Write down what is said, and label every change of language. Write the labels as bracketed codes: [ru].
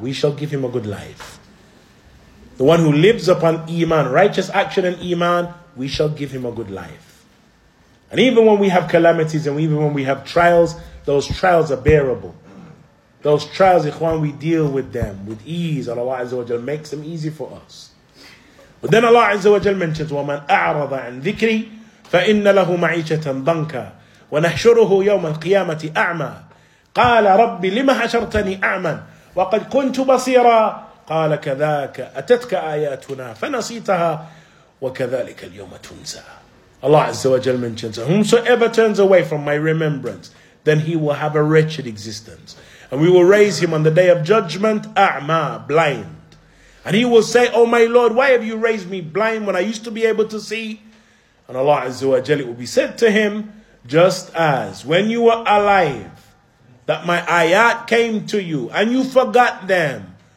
[en] We shall give him a good life. The one who lives upon iman, righteous action and iman, we shall give him a good life. And even when we have calamities and even when we have trials, those trials are bearable. Those trials, ikhwan, we deal with them with ease. Allah Azza wa Jal makes them easy for us. But then Allah Azza wa Jal mentions, [ar] وَمَنْ أَعْرَضَ عَنْ ذِكْرِي فَإِنَّ لَهُ مَعِيشَةً ضَنْكَ وَنَحْشُرُهُ يَوْمَ الْقِيَامَةِ أَعْمَى قَالَ رَبِّ لِمَ حَشَرْتَنِي أَعْمَى وَقَدْ كُنْتُ بَصِيرًا قَالَ كَذَاكَ أَتَتْكَ آيَاتُنَا فَنَسِيتَهَا وَكَذَلِكَ الْيَوْمَ تُنْسَى. [en] Allah Azza wa Jal mentions, whomsoever turns away from my remembrance, then he will have a wretched existence. And we will raise him on the day of judgment, a'ma, blind. And he will say, oh my Lord, why have you raised me blind when I used to be able to see? And Allah Azza wa Jal, it will be said to him, just as when you were alive, that my ayat came to you and you forgot them.